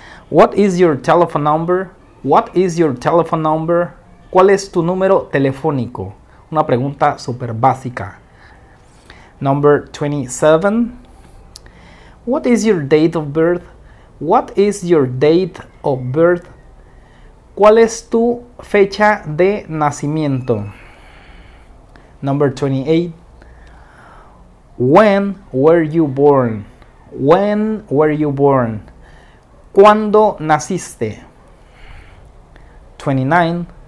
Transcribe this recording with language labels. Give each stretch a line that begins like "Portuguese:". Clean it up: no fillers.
English: What is your telephone number? What is your telephone number?
Spanish: ¿Cuál es tu número telefónico? Una pregunta súper básica.
English: Number 27. What is your date of birth? What is your date of birth?
Spanish: ¿Cuál es tu fecha de nacimiento?
English: Number 28. When were you born? When were you born?
Spanish: ¿Cuándo naciste?
English: 29.